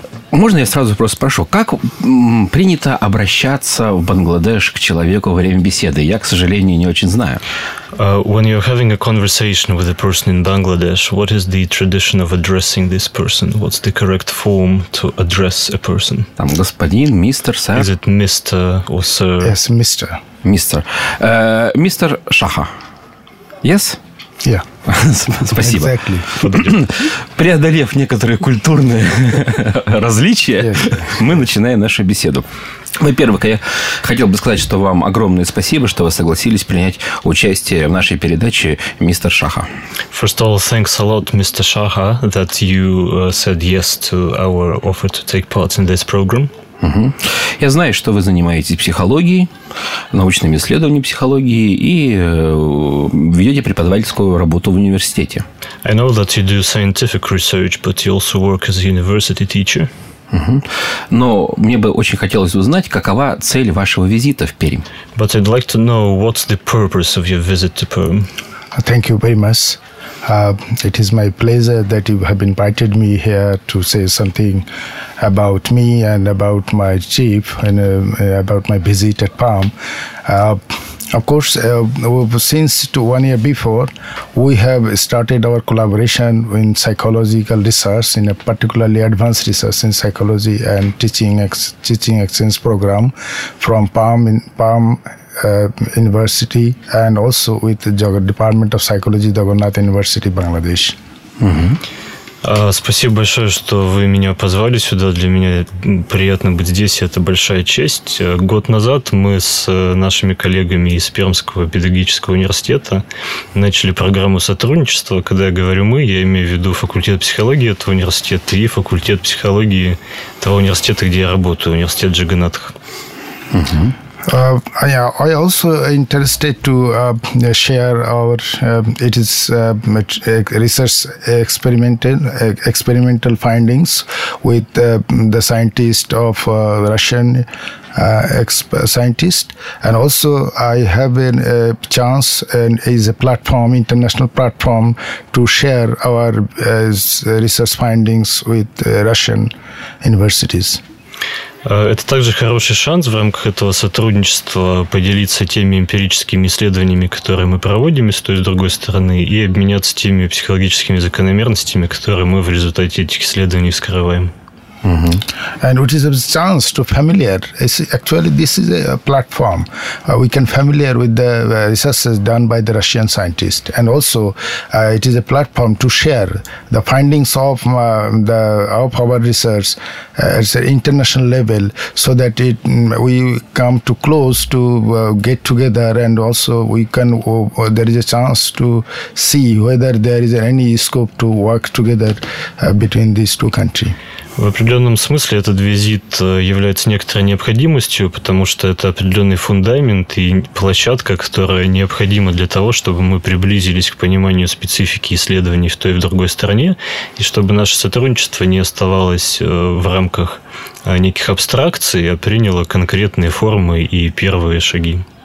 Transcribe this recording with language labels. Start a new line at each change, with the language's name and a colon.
Russian: Можно я сразу просто спрошу, как принято обращаться в Бангладеш к человеку во время беседы? Я, к сожалению, не очень знаю.
English: When you're having a conversation with a person in Bangladesh, what is the tradition of addressing this person? What's the correct form to address a person?
Russian: Там господин, мистер, сэр.
English: Is it Mr. or Sir? Yes, Mr. Mr. Mr. Шаха. Yes? Yeah.
Russian: Спасибо.
English: Exactly.
Russian: Преодолев некоторые культурные различия, мы начинаем нашу беседу. Во-первых, я хотел бы сказать, что вам огромное спасибо, что вы согласились принять участие в нашей передаче, мистер Шаха.
English: First of all, thanks a lot, Mr. Shaha, that you said yes to our offer to take part in this program.
Russian: Я знаю, что вы занимаетесь психологией, научными исследованиями психологии и ведете преподавательскую работу в университете.
English: I know that you do scientific research, but you also work as a university teacher.
Russian: Но мне бы очень хотелось узнать, какова цель вашего визита в Пермь.
English: But I'd like to know what's the purpose of your visit to Perm. Thank you very much. It is my pleasure that you have invited me here to say something about me and about my trip and about my visit at Palm. Of course, since 1 year before, we have started our collaboration in psychological research, in a particularly advanced research in psychology and teaching exchange program from Palm. University and also with the Department of Psychology, Jagannath University, Bangladesh.
Russian: Спасибо большое, что вы меня позвали сюда. Для меня приятно быть здесь, это большая честь. Год назад мы с нашими коллегами из Пермского педагогического университета начали программу сотрудничества. Когда я говорю «мы», я имею в виду факультет психологии этого университета и факультет психологии того университета, где я работаю, университет Джаганатх.
English: I also interested to share our it is research experimental findings with the scientist of Russian scientist, and also I have a chance and is a platform, international platform, to share our research findings with Russian universities.
Russian: Это также хороший шанс в рамках этого сотрудничества поделиться теми эмпирическими исследованиями, которые мы проводим, с той и с другой стороны, и обменяться теми психологическими закономерностями, которые мы в результате этих исследований вскрываем.
English: And it is a chance to familiar. Actually, this is a platform. We can familiar with the research done by the Russian scientist. And also, it is a platform to share the findings of our research at an international level, so that we come to close to get together, and also we can. There is a chance to see whether there is any scope to work together between these two countries.
Russian: В определенном смысле этот визит является некоторой необходимостью, потому что это определенный фундамент и площадка, которая необходима для того, чтобы мы приблизились к пониманию специфики исследований в той и в другой стране, и чтобы наше сотрудничество не оставалось в рамках неких абстракций, а приняло конкретные формы и первые шаги.